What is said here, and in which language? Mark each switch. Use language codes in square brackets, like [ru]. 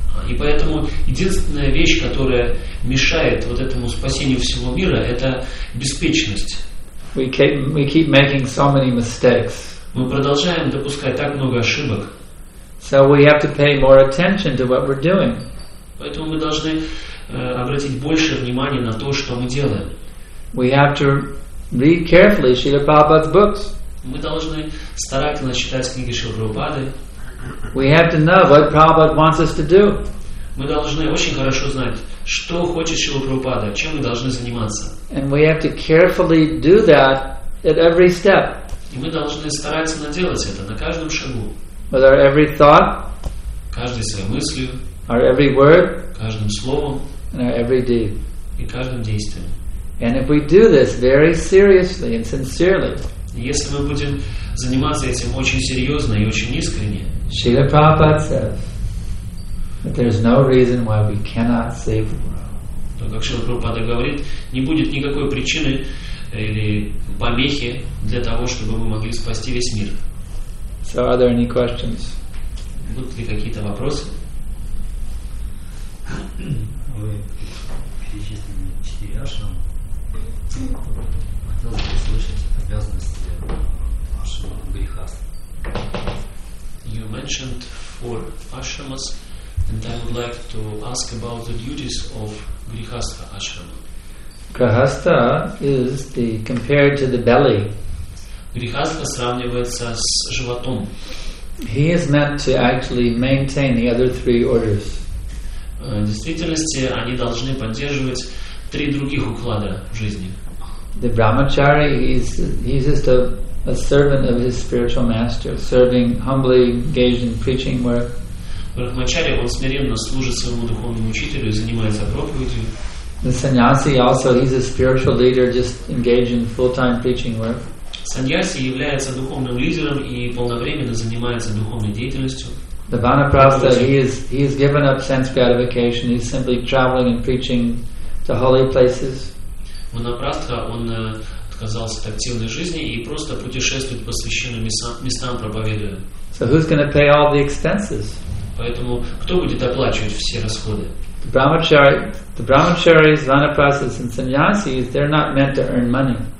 [ru] И поэтому единственная вещь, которая мешает вот этому спасению всего мира, это беспечность. [en] We keep making so many mistakes. [ru] Мы продолжаем допускать так много ошибок. [en] So we have to pay more attention to what we're doing. [ru] Поэтому мы должны обратить больше внимания на то, что мы делаем. [en] We have to read carefully Srila Prabhupada's books. [ru] Мы должны старательно читать книги Шрилы Прабхупады. [en] We have to know what Prabhupada wants us to do. [ru] Мы должны очень хорошо знать, что хочет Шрила Прабхупада, чем мы должны заниматься. [en] And we have to carefully do that at every step. [ru] И мы должны старательно делать это на каждом шагу. [en] With our every thought, [ru] каждой своей мыслью, [en] our every word, [ru] каждым словом, [en] and our every deed, [ru] и каждым действием. [en] And if we do this very seriously and sincerely, [ru] если мы будем заниматься этим очень серьезно и очень искренне, [en] Srila Prabhupada says that there is no reason why we cannot save the world. [ru] Как Шрила Прабхупада говорит, не будет никакой причины или помехи для того, чтобы мы могли спасти весь мир. [en] So are there any questions? [ru] Будут ли какие-то вопросы? Вы перечислили четыре ашрамы. Хотелось бы услышать обязанности вашего грехаста. [en] You mentioned four ashramas, and I would like to ask about the duties of grihastha ashrama. Grihastha is the compared to the belly. [ru] Grihastha сравнивается с животом. [en] He is meant to actually maintain the other three orders. [ru] В действительности они должны поддерживать три других уклада жизни. [en] The brahmachari is just a servant of his spiritual master, serving humbly, engaged in preaching work. [ru] Брахмачари, он смиренно служит своему духовному учителю и занимается проповедью. [en] The sannyasi also, he's a spiritual leader, just engaged in full-time preaching work. [ru] Sannyasi является духовным лидером и полновременно занимается духовной деятельностью. [en] The vanaprastha, he has given up sense gratification, he's simply traveling and preaching the holy places. [ru] Манапрастха, он отказался от активной жизни и просто путешествует по священным местам, проповедуя. [en] So who's going to pay all the expenses? [ru] Поэтому кто будет оплачивать все расходы? [en] The brahmacharis, vanaprasas, and sannyasis, they're not meant to earn money.